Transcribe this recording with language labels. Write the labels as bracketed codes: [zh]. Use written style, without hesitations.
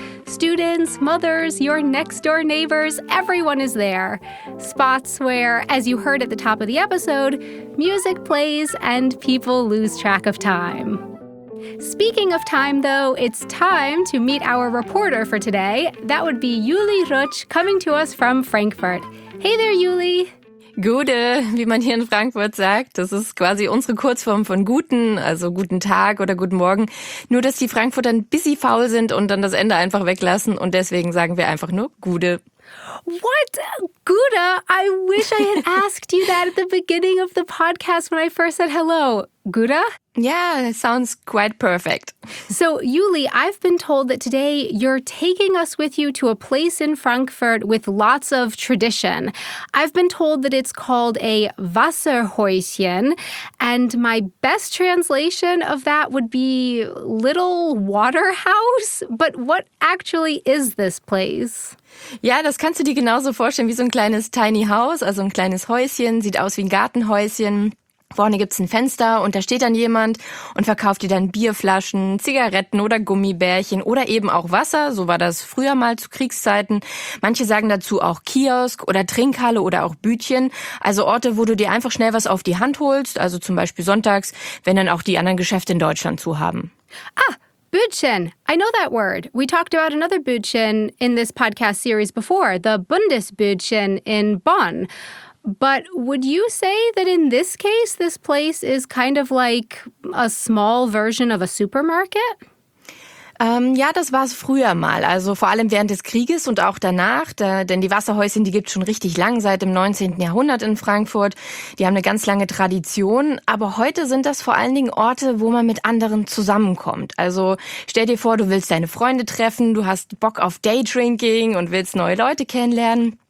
[en] Students, mothers, your next-door neighbors, everyone is there. Spots where, as you heard at the top of the episode, music plays and people lose track of time. Speaking of time, though, it's time to meet our reporter for today. That would be Juli Rutsch coming to us from Frankfurt. Hey there, Juli! [de] Gute, wie man hier in Frankfurt sagt. Das ist quasi unsere Kurzform von guten, also guten Tag oder guten Morgen. Nur, dass die Frankfurter ein bisschen faul sind und dann das Ende einfach weglassen. Und deswegen sagen wir einfach nur Gute. [en] What? Gute? I wish I had asked you that at the beginning of the podcast when I first said hello. [de] Gute? [en] Yeah, it sounds quite perfect. So, Juli, I've been told that today you're taking us with you to a place in Frankfurt with lots of tradition. I've been told that it's called a Wasserhäuschen, and my best translation of that would be little water house. But what actually is this place? [de] Ja, das kannst du dir genauso vorstellen wie so ein kleines tiny house, also ein kleines Häuschen, sieht aus wie ein Gartenhäuschen. Vorne gibt's ein Fenster und da steht dann jemand und verkauft dir dann Bierflaschen, Zigaretten oder Gummibärchen oder eben auch Wasser. So war das früher mal zu Kriegszeiten. Manche sagen dazu auch Kiosk oder Trinkhalle oder auch Bütchen. Also Orte, wo du dir einfach schnell was auf die Hand holst. Also zum Beispiel sonntags, wenn dann auch die anderen Geschäfte in Deutschland zu haben. [en] Ah! Bütchen. I know that word. We talked about another Bütchen in this podcast series before, the Bundesbütchen in Bonn. But would you say that in this case, this place is kind of like a small version of a supermarket? [de] Ja, das war es früher mal, also vor allem während des Krieges und auch danach, denn die Wasserhäuschen, die gibt es schon richtig lang, seit dem 19. Jahrhundert in Frankfurt. Die haben eine ganz lange Tradition, aber heute sind das vor allen Dingen Orte, wo man mit anderen zusammenkommt. Also stell dir vor, du willst deine Freunde treffen, du hast Bock auf Daydrinking und willst neue Leute kennenlernen.